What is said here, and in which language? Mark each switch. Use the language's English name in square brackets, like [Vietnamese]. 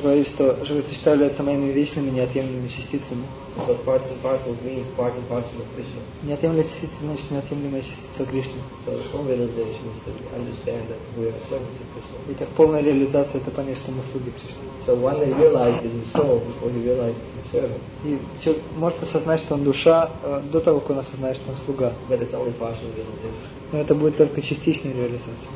[Russian] Говорит, что живые существа являются моими вечными неотъемлемыми частицами. [English] So parts and parcels means part and parcel of Krishna. [Russian] Неотъемлемые частицы значит неотъемлемая частица Кришны. [English] So the full realization is to understand that we are servants of Krishna. [Russian] Итак, полная реализация это понять, что мы слуги Кришны. [English] So one may realize it is soul before he realizes it's a servant. [Russian] И человек может осознать, что он душа, до того, как он осознает, что он слуга. [English] But it's only partial realization. [Russian] Но это будет только частичная реализация.